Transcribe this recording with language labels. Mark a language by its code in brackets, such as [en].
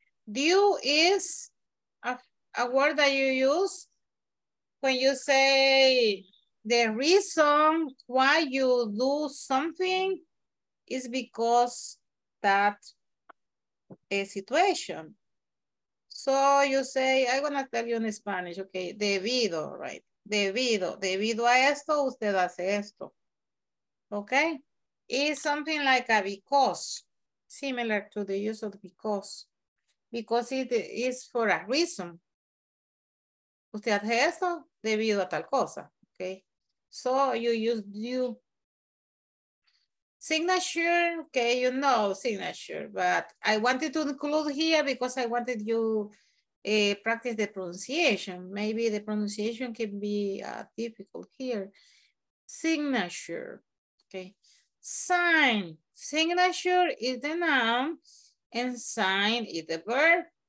[en] Due is a word that you use when you say the reason why you do something is because that a situation. So you say, I'm gonna tell you in Spanish, okay, debido, right? [es] Debido, debido a esto, usted hace esto, okay? [en] It's something like a because, similar to the use of because. Because it is for a reason. [es] Usted hace esto debido a tal cosa, okay? [en] So you use due. Signature, okay, you know signature, but I wanted to include here because I wanted you practice the pronunciation. Maybe the pronunciation can be difficult here. Signature, okay. Sign, signature is the noun and sign is the verb.